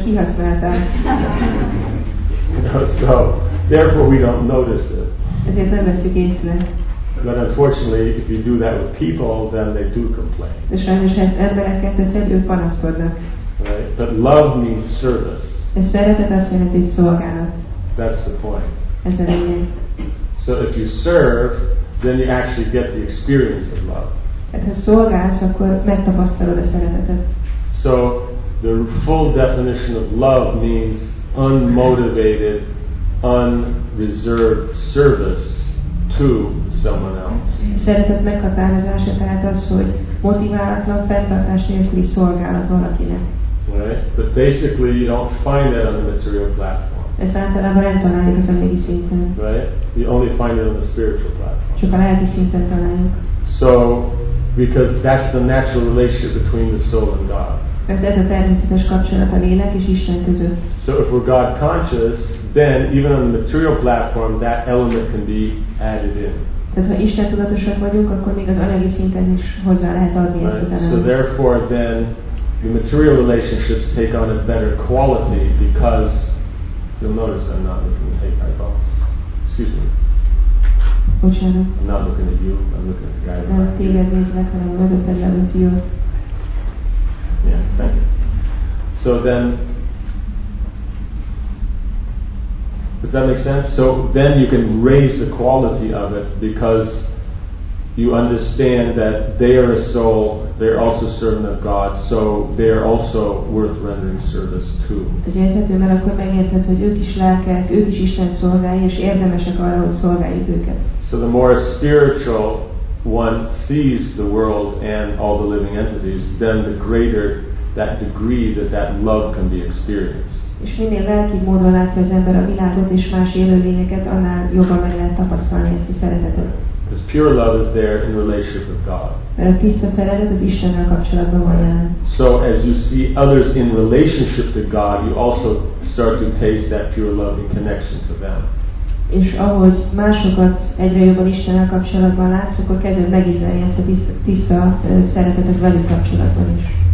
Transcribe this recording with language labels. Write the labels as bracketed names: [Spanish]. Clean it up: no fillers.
[English] So, therefore, we don't notice it. But unfortunately, if you do that with people, then they do complain. [Hungarian] De sajnos ezt embereket teszed, ők panaszkodnak. [English] Right? But love means service. [Hungarian] A szeretet azt jelenti, szolgálat. [English] That's the point. [Hungarian] Ez a lényeg. [English] So if you serve, then you actually get the experience of love. [Hungarian] Tehát ha szolgálsz, akkor megtapasztalod a szeretetet. [English] So the full definition of love means unmotivated, unreserved service to someone else. [Hungarian] Szeretet meghatározása tehát az, hogy motiválatlan, fenntartás nélküli szolgálat valakinek. [English] Right? But basically you don't find that on the material platform. [Hungarian] Ezt általában nem találjuk az emberi szinten. [English] Right? You only find it on the spiritual platform. [Hungarian] Csak a lelki szinten találjuk. [English] So, because that's the natural relationship between the soul and God. [Hungarian] Mert ez a természetes kapcsolat a lélek és Isten között. [English] So if we're God conscious, then even on the material platform, that element can be added in. [Hungarian] Tehát ha Isten tudatosak vagyunk, akkor még az anyagi szinten is hozzá lehet adni [English] right. [Hungarian] ezt az elemet. [English] So therefore, then the material relationships take on a better quality because you'll notice I'm not looking at my thoughts. Excuse me. [Hungarian] Bocsánat. [English] I'm not looking at you. I'm looking at the guy. [Hungarian] Nem téged néznek, hanem mögötted levő fiú. [English] Yeah, so then, does that make sense? So then you can raise the quality of it because you understand that they are a soul, they're also servant of God, so they're also worth rendering service to. [Hungarian] Ez érthető, mert akkor megérthet, hogy ők is lelkek, ők is Isten szolgái, és érdemesek arra, hogy szolgáljuk őket. [English] So the more spiritual one sees the world and all the living entities, then the greater that degree that that love can be experienced. [Hungarian] És minél lelkibb módon látja az ember a világot és más élőlényeket, annál jobban meg lehet tapasztalni ezt a szeretetet. [English] Because pure love is there in relationship with God. [Hungarian] Mert a tiszta szeretet az Istennel kapcsolatban van jelen. [English] So as you see others in relationship to God, you also start to taste that pure love in connection to them. [Hungarian] És ahogy másokat egyre jobban Istennel kapcsolatban látsz, akkor kezded megizlelni ezt a tiszta szeretetet velük kapcsolatban is.